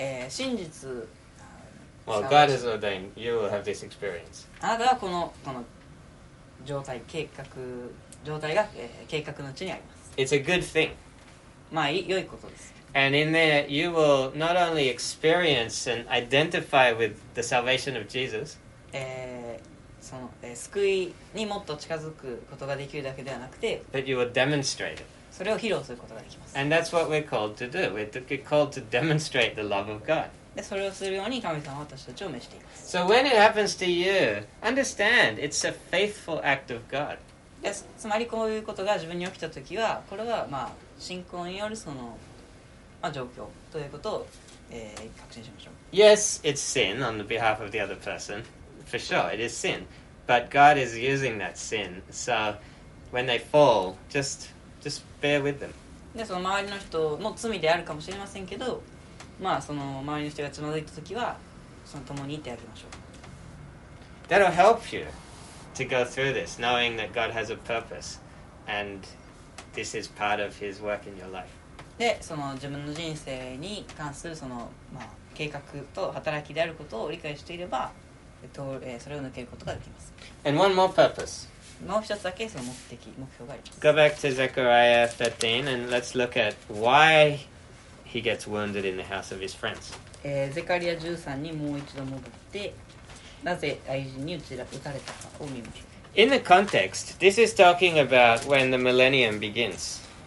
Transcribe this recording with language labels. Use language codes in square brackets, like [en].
[ja] 真実 [en] Well, God has ordained you will have this experience. [ja] あなたはこの状態、状態が、計画のうちにあります。 [en] It's a good thing. [ja] まあ、良いことです。 [en] And in there, you will not only experience and identify with the salvation of Jesus. [ja] その救いにもっと近づくことができるだけではなくて [en] But you will demonstrate it. [ja] それを披露することができます。 [en] And that's what we're called to do. We're called to demonstrate the love of God. [ja] でそれをするように神様は私たちを召しています。 [en] So when it happens to you, understand, it's a faithful act of God. [ja] でつまりこういうことが自分に起きたときは、これはまあ信仰によるその、まあ、状況ということを、確信しましょう。 [en] Yes, it's sin on the behalf of the other person. For sure, it is sin. But God is using that sin. So when they fall, just bear with them. [ja] で、その周りの人の罪であるかもしれませんけど、まあその周りの人がつまずいたときは、その共にいてあげましょう。 [en] That'll help you to go through this, knowing that God has a purpose, and this is part of His work in your life. [ja] で、その自分の人生に関するその、まあ、計画と働きであることを理解していれば、それを抜けることができます。 [en] And one more purpose. [ja] もう一つだけその目標があります。 [en] Go back to Zechariah 13 and let's look at why he gets wounded in the house of his friends. [ja] ゼカリア13にもう一度戻ってなぜ愛人に打たれたかを見ましょう。 [en] In the context, this is talking about when the millennium begins.